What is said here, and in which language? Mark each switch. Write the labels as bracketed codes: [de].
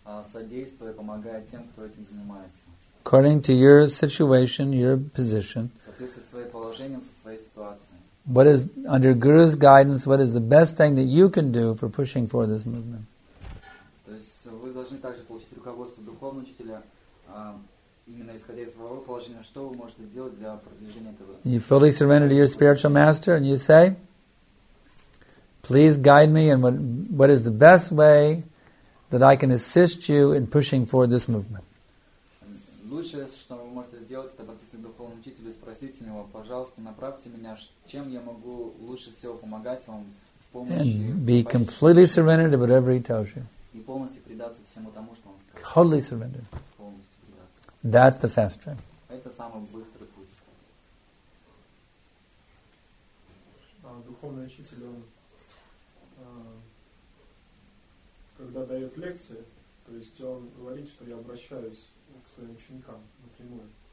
[ru] Содействуя, помогая тем, кто этим занимается. [en] According to your situation, your position, [ru] соответствуя своим положением, со своей ситуацией, [en] what is, under Guru's guidance, what is the best thing that you can do for pushing forward this movement? [ru] То есть вы должны также получить руководство духовного учителя, именно исходя из своего положения, что вы можете делать для продвижения этого. [en] You fully surrender to your spiritual master and you say, please guide me and what is the best way that I can assist you in pushing forward this movement. [ru] Лучшее, что вы можете сделать, это обратиться к духовному учителю и спросить у него, пожалуйста, направьте меня, чем я могу лучше всего помогать вам в помощи. [en] And be completely surrendered to whatever he tells you. [ru] И полностью предаться всему тому, что он сказал. [en] Totally surrendered. [ru] Полностью предаться. [en] That's the fast track. [ru] Это самый быстрый путь. Духовный учитель, он когда дает лекции, то есть он говорит, что я обращаюсь к своим ученикам напрямую.